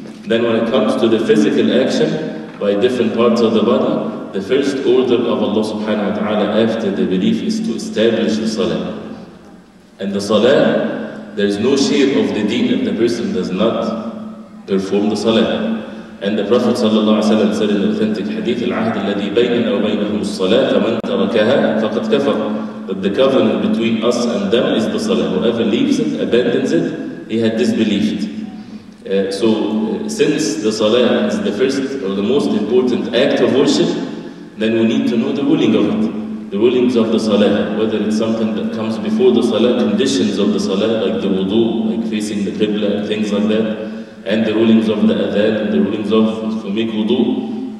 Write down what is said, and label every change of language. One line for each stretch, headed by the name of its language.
English: Then when it comes to the physical action by different parts of the body, the first order of Allah subhanahu wa ta'ala after the belief is to establish the salah. And the salah, there is no share of the deen if the person does not perform the salah. And the Prophet ﷺ said in the authentic hadith,
Arabic: العهد الذي بيننا وبينهم الصلاة فمن تركها فقد كفر.
English: That the covenant between us and them is the salah. Whoever leaves it, abandons it, he had disbelieved. Since the salah is the first or the most important act of worship, then we need to know the ruling of it. The rulings of the salah, whether it's something that comes before the salah, conditions of the salah, like the wudu, like facing the qibla, things like that. And the rulings of the adhan, and the rulings of to make wudu,